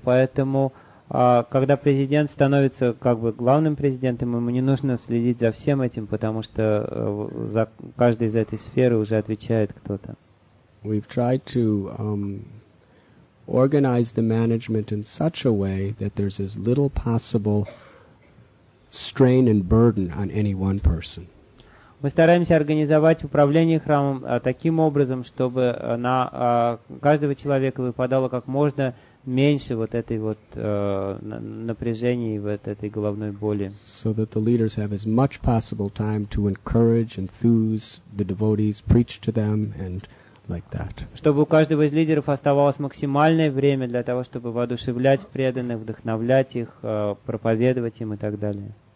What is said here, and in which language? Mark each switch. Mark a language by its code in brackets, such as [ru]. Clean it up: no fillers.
[ru] Поэтому, когда президент становится как бы главным президентом, ему не нужно следить за всем этим, потому что за каждой из этой сферы уже отвечает кто-то. [en] We've tried to organize the management in such a way that there's as little possible strain and burden on any one person. [ru] Мы стараемся организовать управление храмом таким образом, чтобы на каждого человека выпадало как можно меньше вот этой вот напряжения и вот этой головной боли. [en] So that the leaders have as much possible time to encourage, enthuse the devotees, preach to them, and like that. [ru] Чтобы у каждого из лидеров оставалось максимальное время для того, чтобы воодушевлять преданных, вдохновлять их, проповедовать им и так далее.